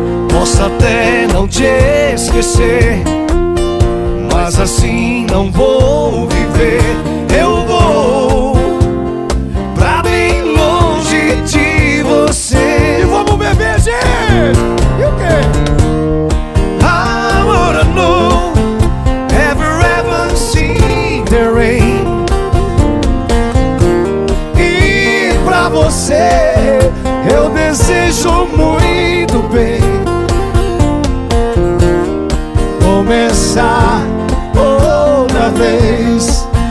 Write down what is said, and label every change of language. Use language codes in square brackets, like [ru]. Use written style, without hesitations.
[pt] Posso até não te esquecer, mas assim não vou viver. Eu vou pra bem longe de você. E vamos beber, gente! E o quê? [en] I wanna know, have you ever seen the rain? [pt] E pra você, eu desejo muito bem. Começar outra vez.